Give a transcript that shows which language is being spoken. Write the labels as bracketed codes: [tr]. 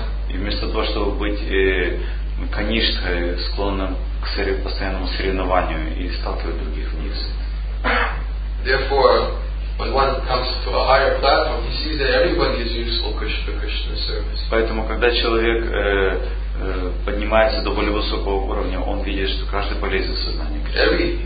[ru] И вместо того, чтобы быть конишкой, склонным к постоянному соревнованию и сталкивать других вниз. [en] Therefore, when one comes to a higher platform, he sees that everybody is useful for Krishna service. [ru] Поэтому, когда человек поднимается до более высокого уровня, он видит, что каждый полезен в сознании Кришны.